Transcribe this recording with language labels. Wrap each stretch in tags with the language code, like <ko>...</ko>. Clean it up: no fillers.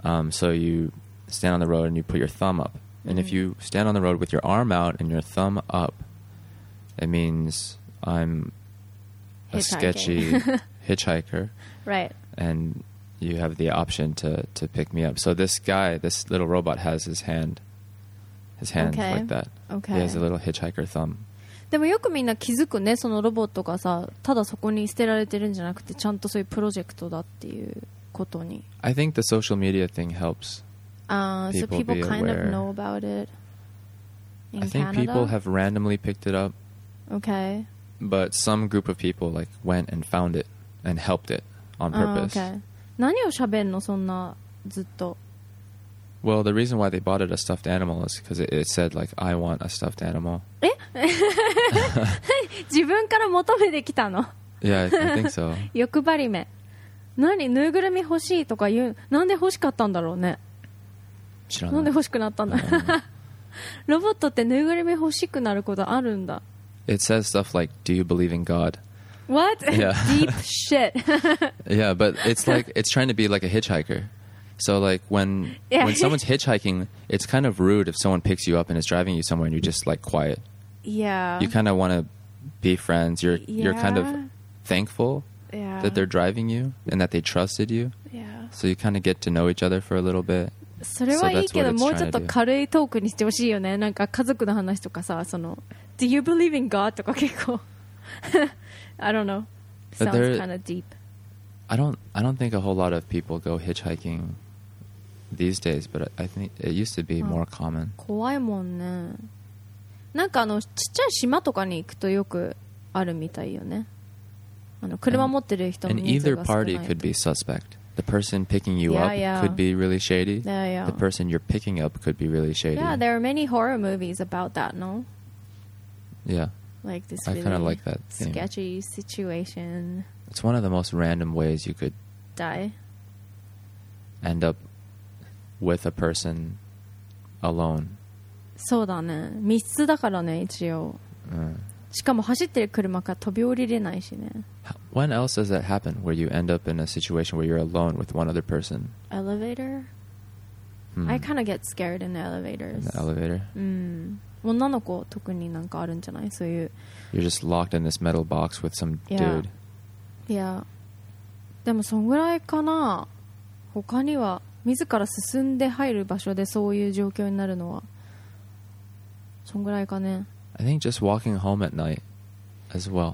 <en>So you stand on the road and you put your thumb up. Mm-hmm. And if you stand on the road with your arm out and your thumb up, it means I'm a sketchy hitchhiker. Right. And you have the option to pick me up. So this guy, this little robot has his hand okay. like that. Okay. He has a little hitchhiker thumb.</en> <ja>でもよくみんな気づくね、そのロボットがさ、ただそこに捨てられてるんじゃなくて、ちゃんとそういうプロジェクトだっていうことに。</ja> <en>I think the social media thing helps. People kind of know about it. I think people have randomly picked it up. Okay. But some group of people like went and found it and helped it on purpose. Okay.</en> <ja>何を喋んのそんなずっと。</ja> <en>Well, the reason why they bought it a stuffed animal is because it said like I want a stuffed animal.</en> <ja>え？自分から求めてきたの。</ja> <en>Yeah, I think so.</en> <ja>欲張りめ。何ぬいぐるみ欲しいとか言う。なんで欲しかったんだろうね。知らない。なんで欲しくなったんだ。ロボットってぬいぐるみ欲しくなることあるんだ。</ja> <en>It says stuff like, "Do you believe in God?" What? Yeah. Deep shit. Yeah, but it's trying to be like a hitchhiker. So like when someone's hitchhiking, it's kind of rude if someone picks you up and is driving you somewhere and you're just like quiet. Yeah. You kind of want to be friends. You're kind of thankful that they're driving you and that they trusted you. Yeah. So you kind of get to know each other for a little bit.</en> <ja>それはいいけど、もうちょっと軽いトークにしてほしいよね。なんか家族の話とかさ、その</ja> <en>Do you believe in God?</en> <ja>とか結構</ja> <en>I don't know. Sounds kind of deep. I don't think a whole lot of people go hitchhiking these days, but I think it used to be more common.</en> <ja>怖いもんね。なんかあのちっちゃい島とかに行くとよくあるみたいよね。あの車持ってる人の人数が少ない。</ja> <en>And either party could be suspect. The person picking you up could be really shady. Yeah, yeah. The person you're picking up could be really shady. Yeah, there are many horror movies about that, no? Yeah. Like this really I kind of like that sketchy、 theme. Situation. It's one of the most random ways you could die. End up with a person alone.</en> <ja>そうだね。密室だからね、一応。しかも走ってる車から飛び降りれないしね。</ja> <en>When else does that happen? Where you end up in a situation where you're alone with one other person? Elevator?、I kind of get scared in the elevators. In the elevator?</en> <ja>女の子特になんかあるんじゃないそういう</ja> <en>You're just locked in this metal box with some dude</en> <ja>Yeah でもそんぐらいかな他には自ら進んで入る場所でそういう状況になるのはそんぐらいかね</ja> <en>I think just walking home at night as well</en>